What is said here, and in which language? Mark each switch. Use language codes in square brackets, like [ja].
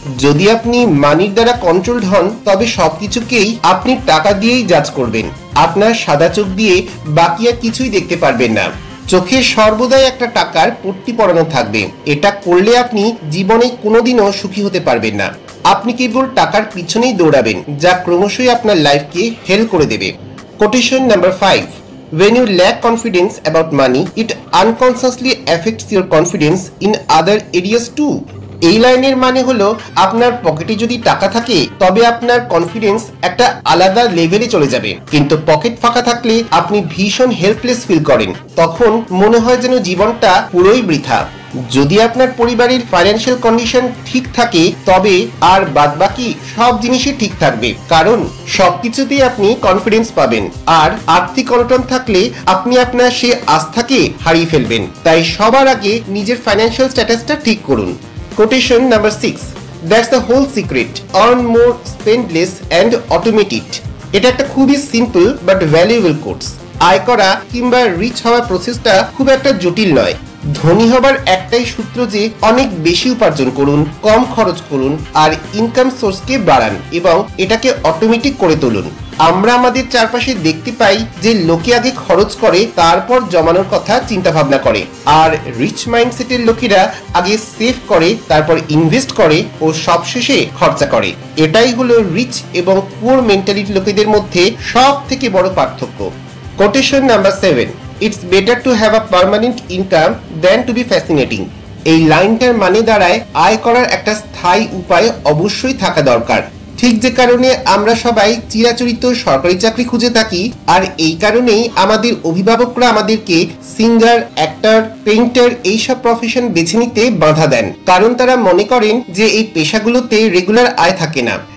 [bn] যদি আপনি মানির দ্বারা কন্ট্রোলড হন তবে সবকিছুকেই আপনি টাকা দিয়েই জাজ করবেন, আপনার সাদা চোখ দিয়ে বাকি আর কিছুই দেখতে পারবেন না। চোখে সর্বদাই একটা টাকার পট্টি পরানো থাকবে, এটা করলে আপনি জীবনে কোনোদিনও সুখী হতে পারবেন না। আপনি কেবল টাকার পিছনেই দৌড়াবেন, যা ক্রমশই আপনার লাইফকে হেল করে দেবে। [en] Quotation number 5. When you lack confidence about money, it unconsciously affects your confidence in other areas too. [bn] এই লাইনের মানে হলো আপনার পকেটে যদি টাকা থাকে তবে আপনার কনফিডেন্স একটা আলাদা লেভেলে চলে যাবে, কিন্তু পকেট ফাঁকা থাকলে আপনি ভীষণ হেল্পলেস ফিল করেন, তখন মনে হয় যেন জীবনটা পুরোই বৃথা। যদি আপনার পরিবারের ফাইন্যান্সিয়াল কন্ডিশন ঠিক থাকে তবে আর বাদবাকি সব জিনিসই ঠিক থাকবে, কারণ সবকিছুতেই আপনি কনফিডেন্স পাবেন। আর আর্থিক অনটন থাকলে আপনি আপনার সেই আস্থাকে হারিয়ে ফেলবেন, তাই সবার আগে নিজের ফাইন্যান্সিয়াল স্ট্যাটাসটা ঠিক করুন। [en] Quotation number 6. That's the whole secret. Earn more, spend less and automate it. [bn] এটা একটা খুবই সিম্পল বাট ভ্যালুয়েবল কোর্স। আয় করা কিংবা রিচ হওয়ার প্রসেসটা খুব একটা জটিল নয়। ধনী হবার একটাই সূত্র যে অনেক বেশি উপার্জন করুন, কম খরচ করুন আর ইনকাম সোর্সকে বাড়ান এবং এটাকে অটোমেটিক করে তুলুন। আমরা আমাদের চারপাশে দেখতে পাই যে লোকে আগে খরচ করে তারপর জমানোর কথা চিন্তা ভাবনা করে, আর রিচ মাইন্ডসেটের লোকেরা আগে সেভ করে তারপর ইনভেস্ট করে ও সবশেষে খরচা করে। এটাই হলো রিচ এবং পুয়ার মেন্টালিটির লোকেদের মধ্যে সব থেকে বড় পার্থক্য। [en] Quotation number 7. It's better to have a permanent income than to be fascinating. [bn] এই লাইনটার মানে দাঁড়ায় আয় করার একটা স্থায়ী উপায় অবশ্যই থাকা দরকার। ঠিক যে কারণে আমরা সবাই চিরাচরিত সরকারি চাকরি খুঁজে থাকি, আর এই কারণেই আমাদের অভিভাবকরা আমাদেরকে সিঙ্গার, অ্যাক্টর, পেইন্টার এইসব প্রফেশন বেছে নিতে বাধা দেন, কারণ তারা মনে করেন যে এই পেশাগুলোতে রেগুলার আয় থাকে না।